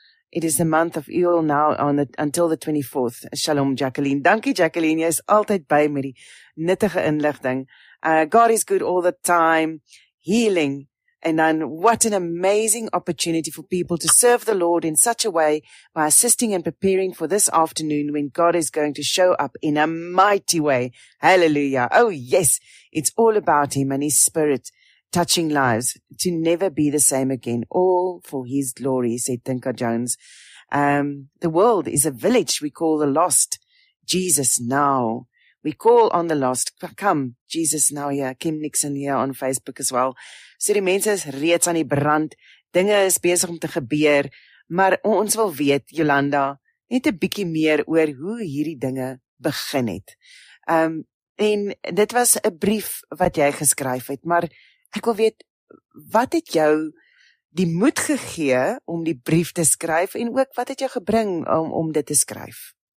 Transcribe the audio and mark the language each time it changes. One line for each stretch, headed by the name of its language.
English: It is the month of Eul now until the 24th. Shalom Jacqueline.
Afrikaans: Dankie Jacqueline, jy is altyd by met die nuttige inligting.
English: God is good all the time. Healing. And then what an amazing opportunity for people to serve the Lord in such a way by assisting and preparing for this afternoon when God is going to show up in a mighty way. Hallelujah. Oh yes, it's all about Him and His Spirit. Touching lives to never be the same again, all for His glory, said Tinka Jones. The world is a village we call the lost. Jesus now. We call on the lost. Come, Jesus now. Yeah, Kim Nixon here on Facebook as well.
Afrikaans: So die mense is reeds aan die brand. Dinge is besig om te gebeur. Maar ons wil weet, Jolanda, net 'n bietjie meer oor hoe hierdie dinge begin het. En dit was 'n brief wat jy geskryf het, maar ek wil weet, wat het jou die moed gegee om die brief te skryf en ook wat het jou gebring om dit te skryf?